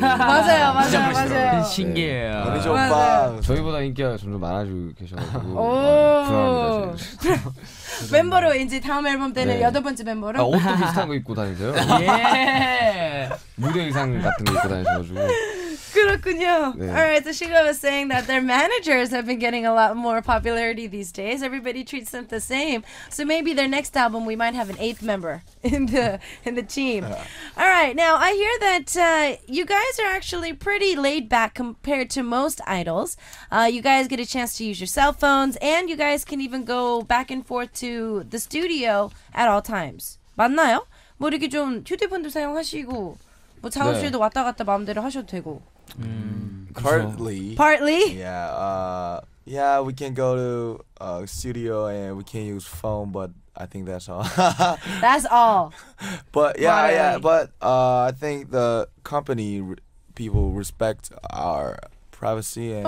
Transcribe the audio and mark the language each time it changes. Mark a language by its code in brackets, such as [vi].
[ko] 맞아요. 신기해요. 네. 매니저 오빠. 저희보다 인기가 점점 많아지고 계셔가지고 불안합니다. 멤버로 이제 다음 앨범 때는 여덟 번째 멤버로. 아, 옷도 비슷한 거 입고 다니세요? 예. 무대 의상 같은 거 입고 다니셔가지고. 그렇군요. 네. [en] Alright, so Shiga was saying that their managers have been getting a lot more popularity these days. Everybody treats them the same. So maybe their next album, we might have an eighth member in the team. Alright, now I hear that you guys are actually pretty laid back compared to most idols. You guys get a chance to use your cell phones and you guys can even go back and forth to the studio at all times. [ko] 맞나요? 뭐 이렇게 좀 휴대폰도 사용하시고 뭐 작업실도 네. 왔다 갔다 마음대로 하셔도 되고 [en] Partly. Yeah, we can go to a studio and we can use phone, but I think that's all. That's all. But yeah, Partly. Yeah. But I think the company people respect our privacy and